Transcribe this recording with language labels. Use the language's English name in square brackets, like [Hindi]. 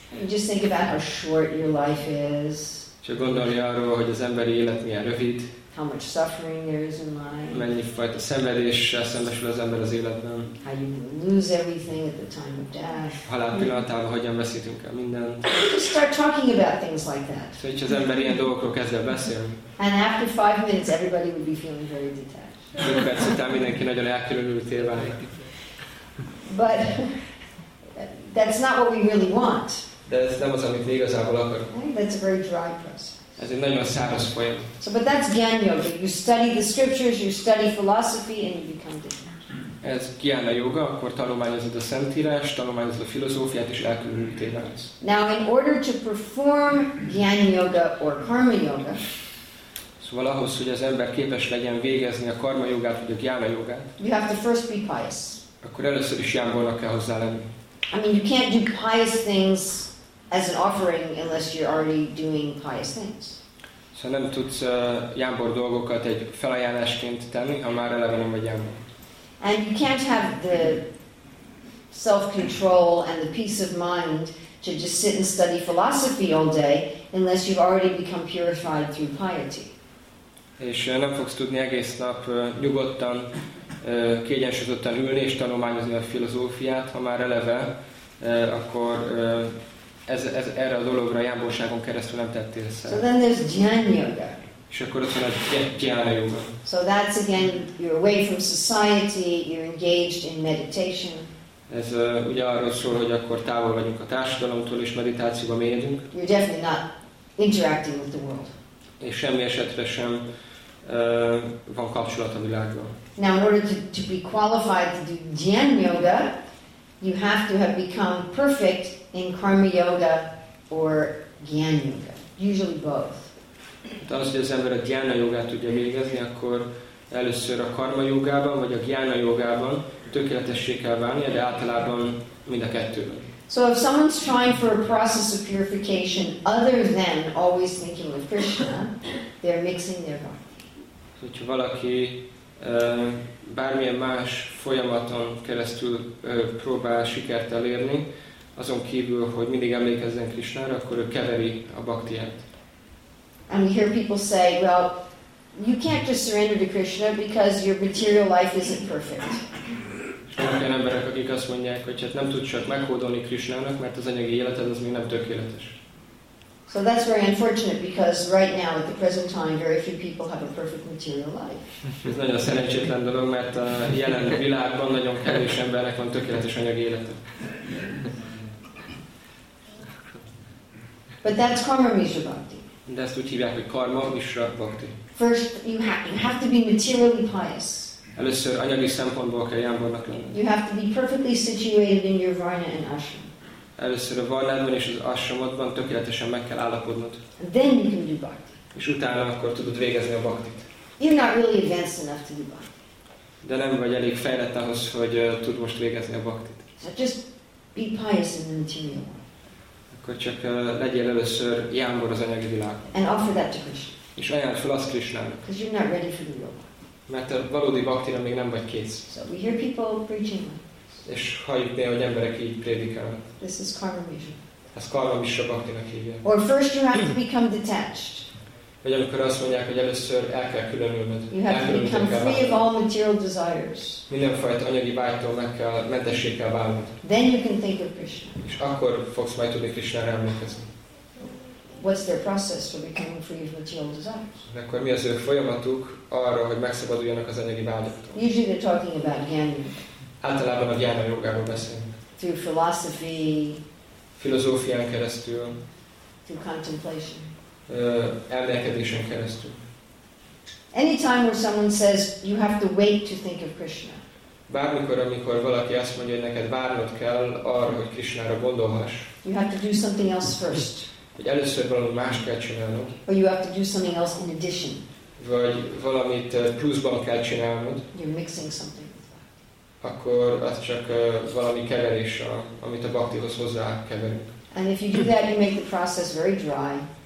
[English] Just think about how short your life is. [Hungarian] Csak gondolni arról, hogy az emberi élet milyen rövid. [English] How much suffering there is in life. [Hungarian] Mennyi fajta szenvedéssel szembesül az ember az életben. [English] How you lose everything at the time of death. [Hungarian] Halál pillanatában hogyan veszítünk el mindent. [English] Start talking about things like that. [Hungarian] Szóval, hogyha az ember ilyen dolgokról kezd el beszélni. [English] And after 5 minutes, everybody would be feeling very detached. [Hungarian] 5 perc után mindenki nagyon elkülönülté válik. [English] But that's not what we really want. [Hungarian] De ez nem az, amit mi igazából akarunk. [English] That's a very dry process. [Hungarian] Ez egy nagyon száraz folyam. [English] So, but that's Gyan Yoga. You study the scriptures, you study philosophy, and you become detached. [Hungarian] Ez Gyan Yoga, akkor tanulmányozod a szentírást, tanulmányozod a filozófiát, és elkülönülté válsz. [English] Now, in order to perform Gyan Yoga or Karma Yoga. [Hungarian] Szóval ahhoz, hogy az ember képes legyen végezni a Karma Yogát vagy a Gyan Yogát. [English] You have to first be pious. [Hungarian] Akkor először is jámbornak kell hozzá lenni. [English] I mean, you can't do pious things as an offering unless you're already doing pious things. [Hungarian] So nem tudsz jámbor dolgokat egy felajánlásként tenni, ha már eleve nem vagy jámbor. [English] And you can't have the self-control and the peace of mind to just sit and study philosophy all day unless you've already become purified through piety. [Hungarian] És nem fogsz tudni egész nap nyugodtan, kiegyensúlyozottan ülni és tanulmányozni a filozófiát, ha már eleve, akkor ez erre a dologra jámborságon keresztül nem tettél szert. [English] So then there's Jnana Yoga. [Hungarian] És akkor ott van a Jnana Yoga. [English] So that's again, you're away from society, you're engaged in meditation. [Hungarian] Ez ugye arról szól, hogy akkor távol vagyunk a társadalomtól és meditációba mélyedünk. [English] You're definitely not interacting with the world. [Hungarian] És semmi esetre sem van kapcsolat a világgal. [English] Now in order to be qualified to do Jnana Yoga, you have to have become perfect in Karma Yoga or Gyan Yoga, usually both. [Hungarian] Tehát, hogy az ember a Gyan Yogát tudja végezni, akkor először a Karma Yogában vagy a Gyan Yogában tökéletessé kell válnia, de általában mind a kettőben. [English] So if someone's trying for a process of purification other than always thinking of Krishna, they're mixing their bhakti. [Hungarian] Hogyha valaki bármilyen más folyamaton keresztül próbál sikert elérni, azon kívül, hogy mindig emlékezzen Krisnára, akkor ő keveri a baktiát. [English] And we hear people say, well, you can't just surrender to Krishna because your material life isn't perfect. [Hungarian] Vannak olyan emberek, akik azt mondják, hogy hát nem tudsz csak meghódolni Krisnának, mert az anyagi életed az még nem tökéletes. [English] So that's very unfortunate because right now at the present time very few people have a perfect material life. [Hungarian] Ez nagyon szerencsétlen dolog, mert a jelen világban nagyon kevés embernek van tökéletes anyagi élete. [English] But that's karma misra bhakti. [Hungarian] De ezt úgy hívják, hogy karma misra bhakti. [English] First, you have to be materially pious. [Hungarian] Először anyagi szempontból kell jámbornak lenni. [English] You have to be perfectly situated in your varna and ashram. [Hungarian] Először a varnában és az ashramodban tökéletesen meg kell állapodnod. [English] Then you can do bhakti. [Hungarian] És utána akkor tudod végezni a bhaktit. [English] You're not really advanced enough to do bhakti. [Hungarian] De nem vagy elég fejlett ahhoz, hogy tud most végezni a bhaktit. [English] So just be pious in the material world. [Hungarian] Akkor csak legyél először jámbor az anyagi világban. [English] And offer that to Krishna. [Hungarian] És ajánlj fel azt Krishnának. [English] Because you're not ready for the yoga. [Hungarian] Mert a valódi baktira még nem vagy kész. [English] So we hear people preaching. [Hungarian] És halljuk néha, hogy emberek így prédikálnak. [English] This is karma misra. [Hungarian] Ez karma misra baktinak hívja. [English] Or first you have to become detached. [Hungarian] Vagy amikor azt mondják, hogy először el kell különülnöd. [English] You have to become free of all material desires. [Hungarian] Mindenfajta anyagi vágytól meg kell, mentessé kell válnod. [English] Then you can think of Krishna. [Hungarian] És akkor fogsz majd tudni Krishnára emlékezni. [English] What's their process for becoming free of material desires? [Hungarian] Akkor mi az ő folyamatuk arra, hogy megszabaduljanak az anyagi vágyoktól? [English] Usually they're talking about Gyana. [Hungarian] Általában a Gyana jogáról beszélünk. [English] Through philosophy. [Hungarian] Filozófián keresztül. [English] Through contemplation. [Hungarian] Elmélkedésen keresztül. [English] Anytime where someone says you have to wait to think of Krishna. [Hungarian] Bármikor, amikor valaki azt mondja, hogy neked várnod kell arra, hogy Krishnára gondolhass. [English] You have to do something else first. [Hungarian] Hogy először valami más kell csinálnod. [English] Or you have to do something else in addition. [Hungarian] vagy valamit pluszban kell csinálnod, [English] you're mixing something. [Hungarian] Akkor az csak valami keverés, amit a baktihoz hozzá keverünk. [English] And if you do that, you make the process very dry.